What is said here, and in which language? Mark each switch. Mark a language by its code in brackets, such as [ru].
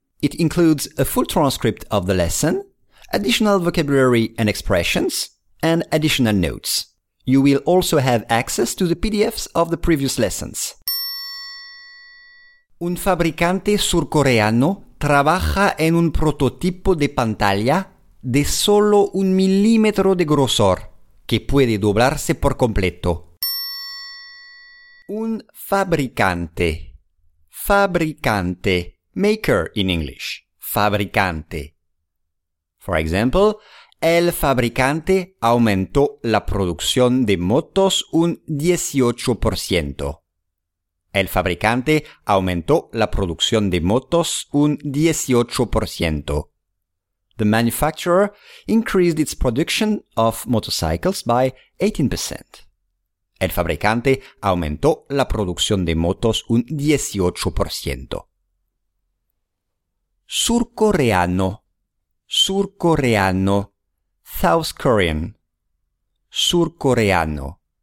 [en] It includes a full transcript of the lesson, additional vocabulary and expressions, and additional notes. You will also have access to the PDFs of the previous lessons. [es] Un fabricante surcoreano trabaja en un prototipo de pantalla de solo un milímetro de grosor, que puede doblarse por completo. Un fabricante. Fabricante. [en] Maker in English. Fabricante. For example, [es] el fabricante aumentó la producción de motos un 18%. El fabricante aumentó la producción de motos un 18%. [en] The manufacturer increased its production of motorcycles by 18%. [es] El fabricante aumentó la producción de motos un 18%. Surcoreano. Surcoreano. [en] South Korean. Surcoreano.